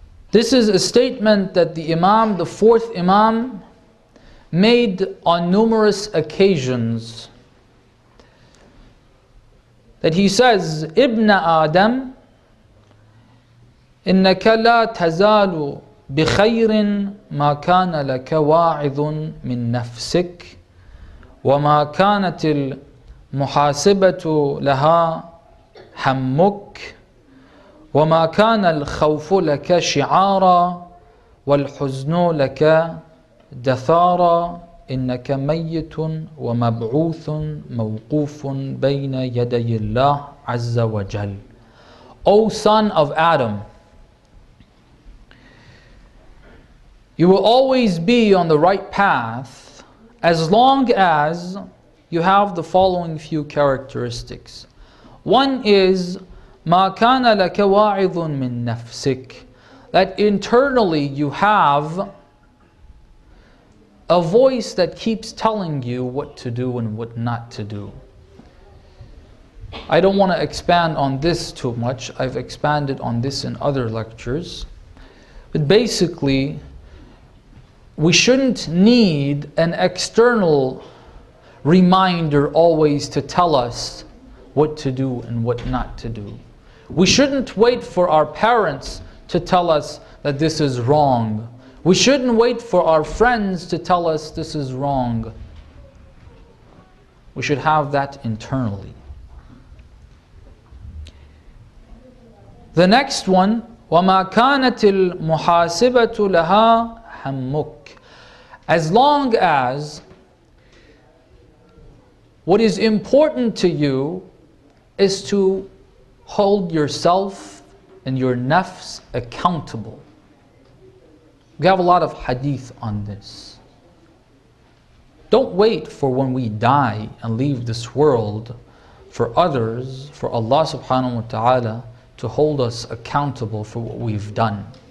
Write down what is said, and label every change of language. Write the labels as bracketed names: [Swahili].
[English] This is a statement that the Imam, the fourth Imam, made on numerous occasions. That he says, "Ibn Adam, [Arabic] إنك لا تزال بخير ما كان لك واعظ من نفسك وما كانت المحاسبة لها حمك وما كان الخوف لك شعارا والحزن لك دثارا إنك ميت ومبعوث موقوف بين يدي الله عز وجل. [English] O son of Adam, you will always be on the right path as long as you have the following few characteristics. One is [Arabic] ما كان لك واعظ من نفسك, [English] that internally you have a voice that keeps telling you what to do and what not to do. I don't want to expand on this too much. I've expanded on this in other lectures. But basically, we shouldn't need an external reminder always to tell us what to do and what not to do. We shouldn't wait for our parents to tell us that this is wrong. We shouldn't wait for our friends to tell us this is wrong. We should have that internally. The next one, [Arabic] وَمَا كَانَتِ الْمُحَاسِبَةُ لَهَا حَمُّكُ. [English] As long as what is important to you is to hold yourself and your nafs accountable. We have a lot of hadith on this. Don't wait for when we die and leave this world for others, for Allah subhanahu wa ta'ala, to hold us accountable for what we've done.